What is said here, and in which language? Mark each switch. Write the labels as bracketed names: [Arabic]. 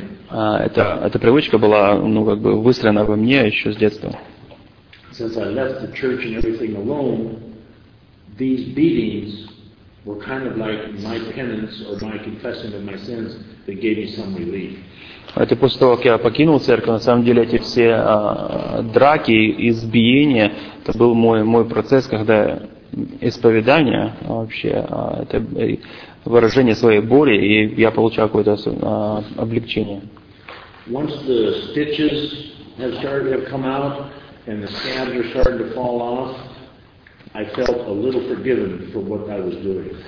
[Russian] Эта привычка была, ну как бы выстроена во мне еще с детства. [English] Since I left the church and everything alone, these beatings were kind of like my penance or my confession of my sins that gave me some relief. [Russian] Это после того, как я покинул церковь, на самом деле эти все драки, избиения, это был мой процесс, когда исповедание вообще, это выражение своей боли, и я получал какое-то облегчение. [English] Once the stitches have started to come out and the scabs are starting to fall off, I felt a little forgiven for what I was doing.